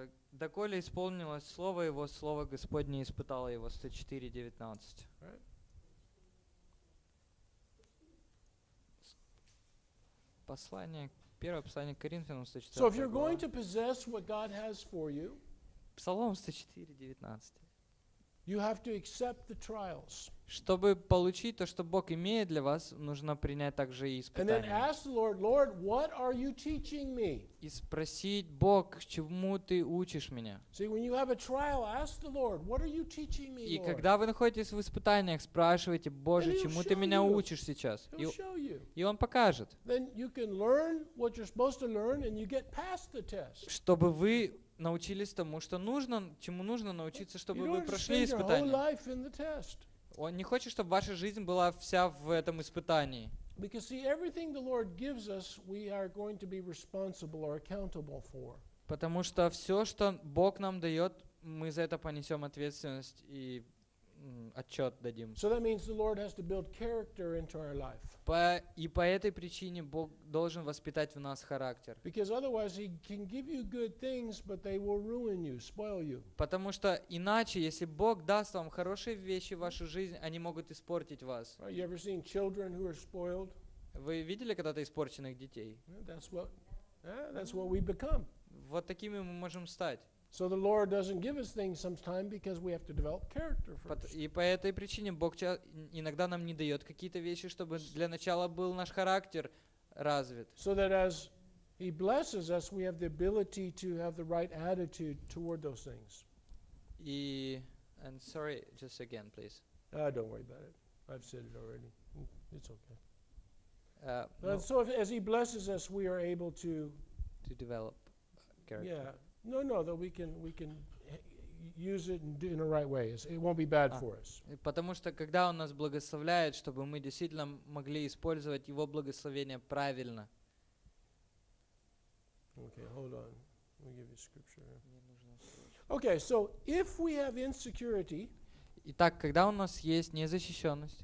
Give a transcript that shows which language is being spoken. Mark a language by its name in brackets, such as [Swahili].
[Russian] Доколе исполнилось слово его, слово Господне испытало его. 104:19. Послание, первое послание к Коринфянам 104. [English] So if you're going to possess what God has for you, [Russian] Псалом 104:19. [English] You have to accept the trials. [Russian] Чтобы получить то, что Бог имеет для вас, нужно принять также и испытания. [English] And then ask the Lord, Lord, what are you teaching me? [Russian] И спросить Бог, чему ты учишь меня? [English] See, when you have a trial, ask the Lord, what are you teaching me, Lord? [Russian] И когда вы находитесь в испытаниях, спрашивайте, Боже, чему ты меня учишь сейчас? И он покажет. [English] Then you can learn what you're supposed to learn, and you get past the test. [Russian] Чтобы вы научились тому, что нужно, чему нужно научиться, чтобы вы прошли испытание. Он не хочет, чтобы ваша жизнь была вся в этом испытании. [English] Because see, everything the Lord gives us, we are going to be responsible or accountable for. [Russian] Потому что все, что Бог нам дает, мы за это понесем ответственность и, отчет дадим. [English] So that means the Lord has to build character into our life. [Russian] И по этой причине Бог должен воспитать в нас характер. [English] Because otherwise he can give you good things, but they will ruin you, spoil you. [Russian] Потому что иначе, если Бог даст вам хорошие вещи в вашу жизнь, они могут испортить вас. [English] Have you ever seen children who are spoiled? [Russian] Вы видели когда-то испорченных детей? [English] That's what we become. [Russian] Вот такими мы можем стать. [English] So the Lord doesn't give us things sometimes because we have to develop character first. [Russian] И по этой причине Бог иногда нам не дает какие-то вещи, чтобы для начала был наш характер развит. [English] So that as He blesses us, we have the ability to have the right attitude toward those things. And sorry, just again, please. Don't worry about it. I've said it already. It's okay. So if, as He blesses us, we are able to develop character. Yeah. No, though we can use it and do it in the right way. It won't be bad for us. [Russian] Потому что когда он нас благословляет, чтобы мы действительно могли использовать его благословение правильно. [English] Okay, hold on. We'll give you scripture. Okay, so if we have insecurity, [Russian] итак, когда у нас есть незащищенность,